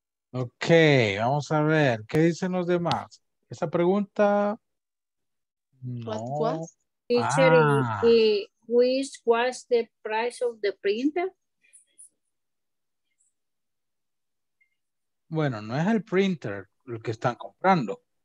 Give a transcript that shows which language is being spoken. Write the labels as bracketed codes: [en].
[es] Ok, vamos a ver, ¿qué dicen los demás? Esa pregunta, no. [en] Teacher, which was the price of the printer? [es] Bueno, no es el printer el que están comprando.